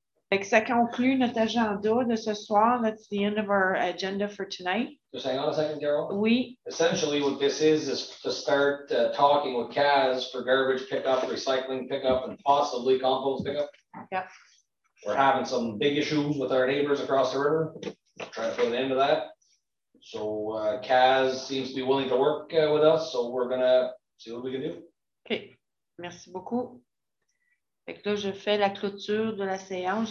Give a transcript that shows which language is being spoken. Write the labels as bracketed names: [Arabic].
[French] Fait que ça conclut notre agenda de ce soir. [English] That's the end of our agenda for tonight. Just hang on a second, Daryl. [French] Oui. [English] Essentially, what this is to start talking with CAS for garbage pickup, recycling pickup, and possibly compost pickup. Yeah. We're having some big issues with our neighbors across the river. We're trying to put an end to that. So CAS seems to be willing to work with us, so we're going to see what we can do. [French] Okay. Merci beaucoup. Fait que là, je fais la clôture de la séance.